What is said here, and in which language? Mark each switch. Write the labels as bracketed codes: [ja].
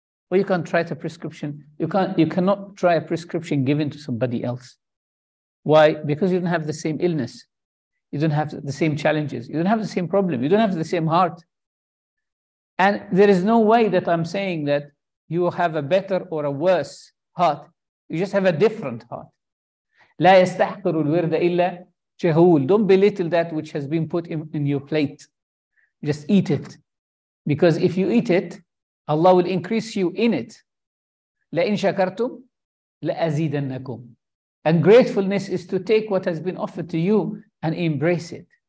[en] Or you can't try the prescription. You cannot try a prescription given to somebody else. Why? Because you don't have the same illness. You don't have the same challenges. You don't have the same problem. You don't have the same heart. And there is no way that I'm saying that you have a better or a worse heart. You just have a different heart. [ar] لا يستحقر الورد إلا جهول. [en] Don't belittle that which has been put in your plate. Just eat it. Because if you eat it, Allah will increase you in it. [ar] لَإِن شَكَرْتُمْ لَأَزِيدَنَّكُمْ. [en] And gratefulness is to take what has been offered to you and embrace it.